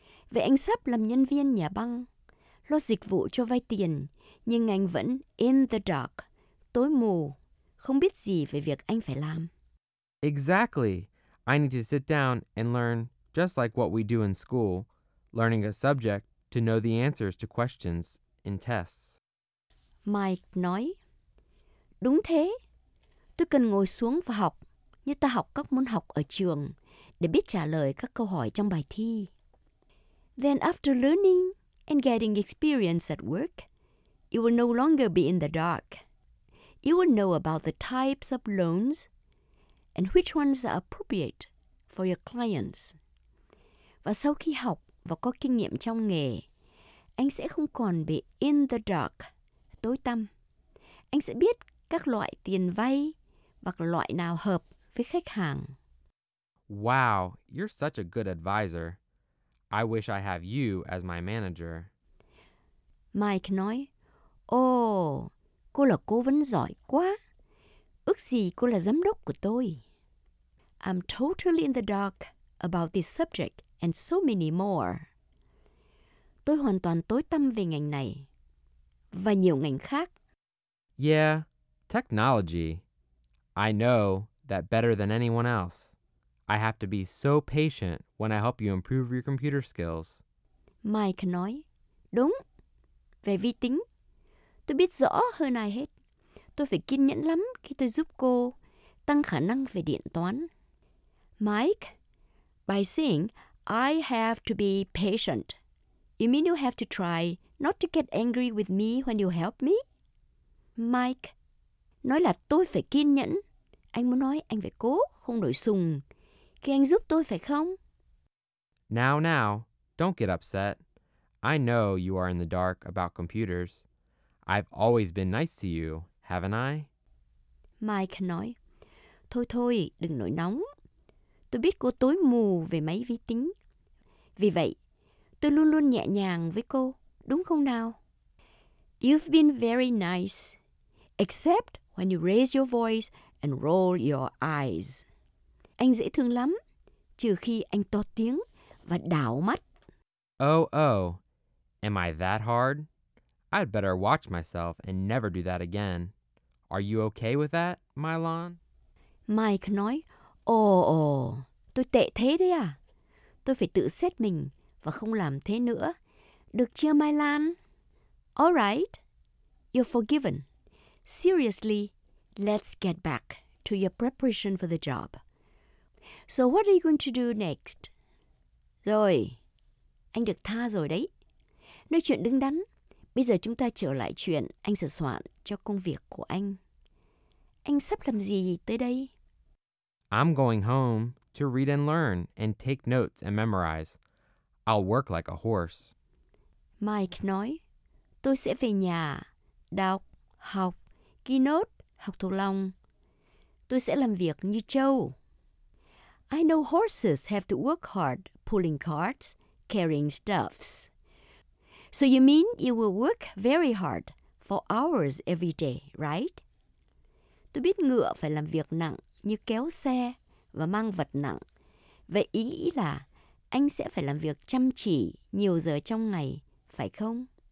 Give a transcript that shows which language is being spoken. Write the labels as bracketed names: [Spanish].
[Vietnamese] Vậy anh sắp làm nhân viên nhà băng, lo dịch vụ cho vay tiền, nhưng anh vẫn [English] in the dark, [Vietnamese] tối mù, không biết gì về việc anh phải làm. [English] Exactly. I need to sit down and learn, just like what we do in school, learning a subject to know the answers to questions in tests. [Vietnamese] Mike nói, đúng thế, tôi cần ngồi xuống và học, như ta học các môn học ở trường, để biết trả lời các câu hỏi trong bài thi. [English] Then after learning and getting experience at work, you will no longer be in the dark. You will know about the types of loans and which ones are appropriate for your clients. [Vietnamese] Và sau khi học và có kinh nghiệm trong nghề, anh sẽ không còn bị [English] in the dark, [Vietnamese] tối tăm. Anh sẽ biết các loại tiền vay và loại nào hợp với khách hàng. [English] Wow, you're such a good advisor. I wish I have you as my manager. [Vietnamese] Mike nói, oh, cô là cố vấn giỏi quá. Ước gì cô là giám đốc của tôi. [English] I'm totally in the dark about this subject and so many more. [Vietnamese] Tôi hoàn toàn tối tăm về ngành này và nhiều ngành khác. [English] Yeah, technology. I know that better than anyone else. I have to be so patient when I help you improve your computer skills. [Vietnamese] Mike nói, đúng, về vi tính. Tôi biết rõ hơn ai hết. Tôi phải kiên nhẫn lắm khi tôi giúp cô tăng khả năng về điện toán. [English] Mike, by saying, I have to be patient, you mean you have to try not to get angry with me when you help me? [Vietnamese] Mike, nói là tôi phải kiên nhẫn. Anh muốn nói anh phải cố, không nổi sùng, khi anh giúp tôi phải không? [English] Now, now, don't get upset. I know you are in the dark about computers. I've always been nice to you, haven't I? [Vietnamese] Mike nói, thôi thôi, đừng nổi nóng. Tôi biết cô tối mù về máy vi tính. Vì vậy, tôi luôn luôn nhẹ nhàng với cô, đúng không nào? [English] You've been very nice, except when you raise your voice and roll your eyes. [Vietnamese] Anh dễ thương lắm, trừ khi anh to tiếng và đảo mắt. [English] Oh, oh, am I that hard? I'd better watch myself and never do that again. Are you okay with that, Mylon? [Vietnamese] Mike nói, Oh, tôi tệ thế đấy à. Tôi phải tự xét mình và không làm thế nữa. Được chưa, Mylon? [English] All right, you're forgiven. Seriously, let's get back to your preparation for the job. So what are you going to do next? [Vietnamese] Rồi, anh được tha rồi đấy. Nói chuyện đứng đắn. Bây giờ chúng ta trở lại chuyện anh sửa soạn cho công việc của anh. Anh sắp làm gì tới đây? [English] I'm going home to read and learn and take notes and memorize. I'll work like a horse. [Vietnamese] Mike nói, tôi sẽ về nhà, đọc, học, ghi note, học thuộc lòng. Tôi sẽ làm việc như trâu. [English] I know horses have to work hard pulling carts, carrying stuffs. So you mean you will work very hard for hours every day, right? [Vietnamese] Tôi biết ngựa phải làm việc nặng như kéo xe và mang vật nặng. Vậy ý nghĩ là anh sẽ phải làm việc chăm chỉ nhiều giờ trong ngày, phải không?